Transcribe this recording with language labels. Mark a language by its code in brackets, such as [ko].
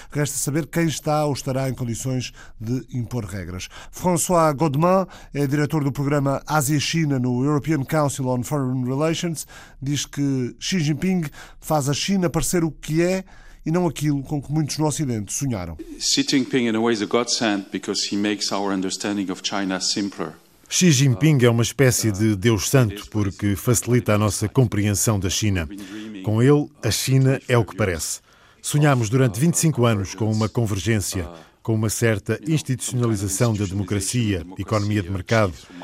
[pt] Resta saber quem está ou estará em condições de impor regras. François Godemain é diretor do programa Ásia-China no European Council on Foreign Relations. Diz que Xi Jinping faz a China parecer o que é e não aquilo com que muitos no Ocidente sonharam. [en] Xi Jinping, in a way, is a godsend because he makes our understanding of China simpler. [pt] Xi Jinping é uma espécie de Deus santo porque facilita a nossa compreensão da China. Com ele, a China é o que parece. Sonhámos durante 25 anos com uma convergência, com uma certa institucionalização da democracia, economia de mercado.